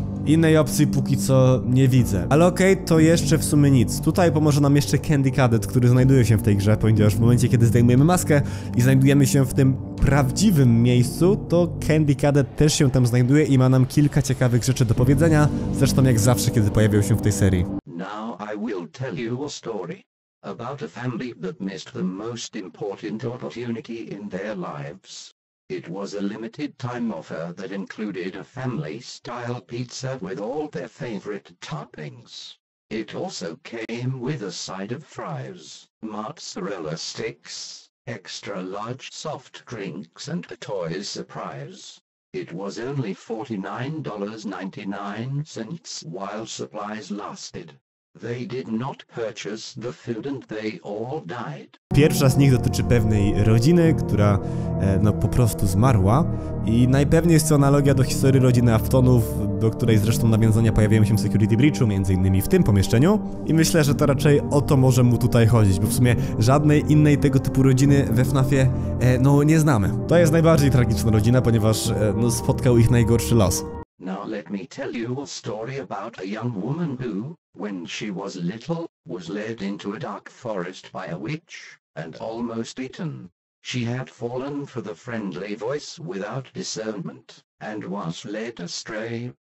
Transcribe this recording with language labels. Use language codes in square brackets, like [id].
[pl] Innej opcji póki co nie widzę. Ale okej, to jeszcze w sumie nic. Tutaj pomoże nam jeszcze Candy Cadet, który znajduje się w tej grze, ponieważ w momencie, kiedy zdejmujemy maskę i znajdujemy się w tym prawdziwym miejscu, to Candy Cadet też się tam znajduje i ma nam kilka ciekawych rzeczy do powiedzenia, zresztą jak zawsze, kiedy pojawiał się w tej serii. [en] Now I will tell you a story about a family that missed the most important opportunity in their lives. It was a limited time offer that included a family-style pizza with all their favorite toppings. It also came with a side of fries, mozzarella sticks, extra large soft drinks and a toy surprise. It was only $49.99 while supplies lasted. They did not purchase the food and they all died. [pl] Pierwsza z nich dotyczy pewnej rodziny, która no po prostu zmarła. I najpewniej jest to analogia do historii rodziny Aftonów, do której zresztą nawiązania pojawiają się w Security Breachu, między innymi w tym pomieszczeniu. I myślę, że to raczej o to może mu tutaj chodzić, bo w sumie żadnej innej tego typu rodziny we FNAF-ie no nie znamy. To jest najbardziej tragiczna rodzina, ponieważ no spotkał ich najgorszy los. [en] Now let me tell you a story about a young woman who, when she was little, was led into a dark forest by a witch, and almost eaten. She had fallen for the friendly voice without discernment, and was led astray.